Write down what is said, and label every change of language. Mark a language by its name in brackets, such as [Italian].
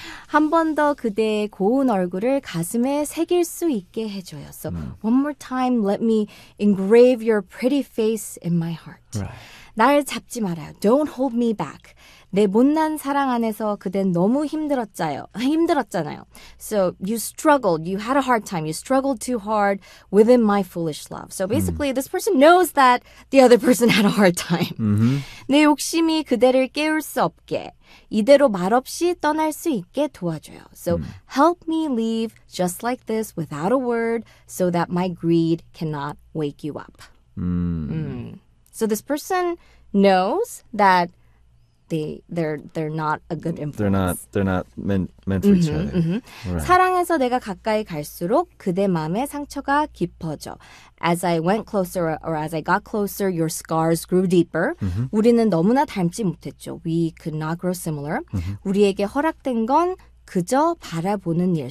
[Korean] 한 번 더 그대의 고운 얼굴을 가슴에 새길 수 있게 해줘요. [English] So one more time, let me engrave your pretty face in my heart. Right. [Korean] 날 잡지 말아요. [English] Don't hold me back. [Korean] 내 못난 사랑 안에서 그댄 너무 힘들었자요. 힘들었잖아요. [English] So you struggled. You had a hard time. You struggled too hard within my foolish love. So basically, this person knows that the other person had a hard time. [Korean] 내 욕심이 그대를 깨울 수 없게 이대로 말없이 떠날 수 있게 도와줘요. [English] So help me leave just like this without a word so that my greed cannot wake you up. So this person knows that they're not a good influence. They're not meant for each other. [Korean] 사랑해서 내가 가까이 갈수록 그대 마음의 상처가 깊어져. [English] As I went closer or as I got closer, your scars grew deeper. [Korean] 우리는 너무나 닮지 못했죠. [English] We could not grow similar. [Korean] 우리에게 허락된 건 그저 바라보는 일.